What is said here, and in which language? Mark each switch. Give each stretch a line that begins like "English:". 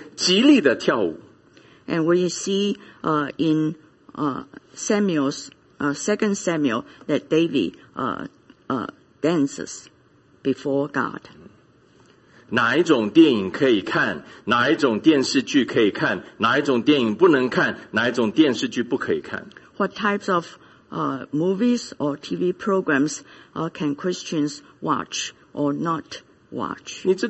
Chinese: 然后在撒母耳记下，我们看见大卫在神的约柜耶和华的面前极力的跳舞。And
English: we see in Samuel's Second Samuel that David dances before God.
Chinese: 哪一种电影可以看？哪一种电视剧可以看？哪一种电影不能看？哪一种电视剧不可以看？
English: What types of movies or TV programs can Christians watch or not watch?